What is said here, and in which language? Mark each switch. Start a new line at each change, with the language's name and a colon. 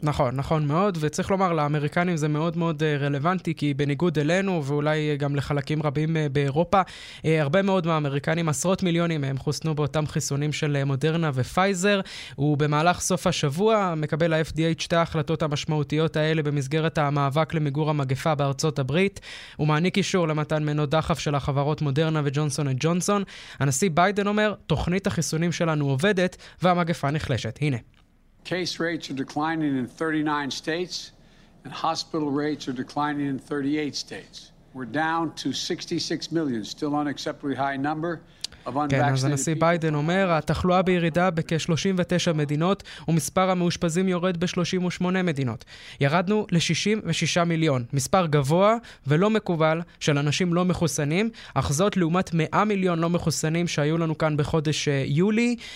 Hebrew: נכון, נכון מאוד, וצריך לומר, לאמריקנים זה מאוד מאוד רלוונטי, כי בניגוד אלינו, ואולי גם לחלקים רבים באירופה, הרבה מאוד מהאמריקנים, עשרות מיליונים הם חוסנו באותם חיסונים של מודרנה ופייזר, ובמהלך סוף השבוע מקבל ה-FDA את שתי ההחלטות המשמעותיות האלה במסגרת המאבק למיגור המגפה בארצות הברית, ומעניק אישור למתן מנות דחף של החברות מודרנה וג'ונסון אנד ג'ונסון. הנשיא ביידן אומר, תוכנית החיסונים שלנו עובדת, והמגפה נחלשת. הנה.
English: Case rates are declining in 39 states and hospital rates are declining in 38 states. We're down to 66 million, still unacceptably high number.
Hebrew: כן, אז הנשיא ביידן אומר, התחלואה בירידה בכ-39 מדינות, ומספר המאושפזים יורד ב-38 מדינות. ירדנו ל-66 מיליון, מספר גבוה ולא מקובל של אנשים לא מחוסנים, אך זאת לעומת 100 מיליון לא מחוסנים שהיו לנו כאן בחודש יולי.